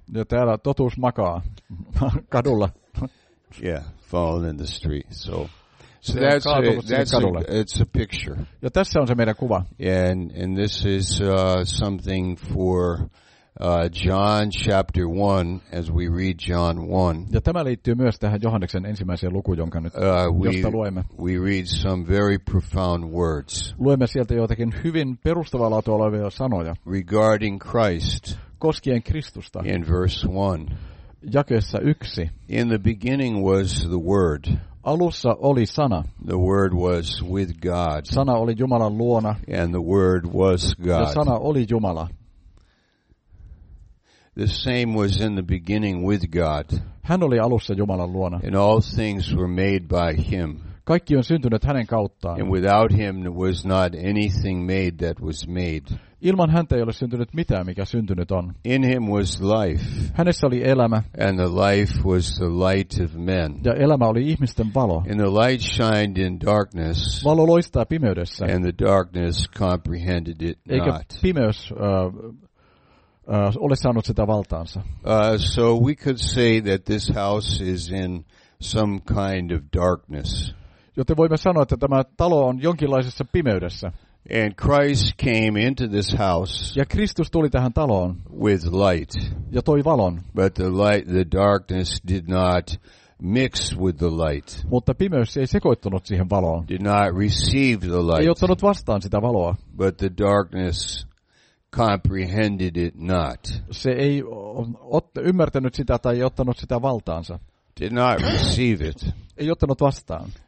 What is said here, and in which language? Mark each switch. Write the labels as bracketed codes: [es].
[fi] Ja täällä totuus makaa kadulla. [en] Yeah, fallen in the street. So that's a picture. [fi] Ja tässä on se meidän kuva. [en] And this is something for John chapter 1, as we read John 1. [fi] Ja tämä liittyy myös tähän Johanneksen ensimmäiseen lukuun, jonka nyt josta luemme. [en] We read some very profound words. [fi] Luemme sieltä jotakin hyvin perustavaa laatua olevia sanoja. [en] Regarding Christ. [fi] Koskien Kristusta. [en] In verse 1. [fi] Jakeessa 1. [en] In the beginning was the word. [fi] Alussa oli sana. [en] The word was with God. [fi] Sana oli Jumalan luona. [en] And the word was God. [fi] Ja sana oli Jumala. [en] The same was in the beginning with God. [fi] Hän oli alussa Jumalan luona. [en] And all things were made by him. [fi] Kaikki on syntynyt hänen kauttaan. [en] And without him was not anything made that was made. [fi] Ilman häntä ei ole syntynyt mitään, mikä syntynyt on. [en] In him was life. [fi] Hänessä oli elämä. [en] And the life was the light of men. [fi] Ja elämä oli ihmisten valo. [en] And the light shined in darkness. [fi] Valo loistaa pimeydessä. [en] And the darkness comprehended it not. [fi] Eikä pimeys ole saanut sitä valtaansa. [en] So we could say that this house is in some kind of darkness. [fi] Joten voimme sanoa, että tämä talo on jonkinlaisessa pimeydessä. [en] And Christ came into this house. [fi] Ja Kristus tuli tähän taloon. [en] With light. [fi] Ja toi valon. [en] But the darkness did not mix with the light. [fi] Mutta pimeys ei sekoittunut siihen valoon. [en] Did not receive the light. [fi] Ei ottanut vastaan sitä valoa. [en] But the darkness comprehended it not. [fi] Se ei ymmärtänyt sitä tai ei ottanut sitä valtaansa. [en] Did not receive it. [fi] Ei ottanut vastaan.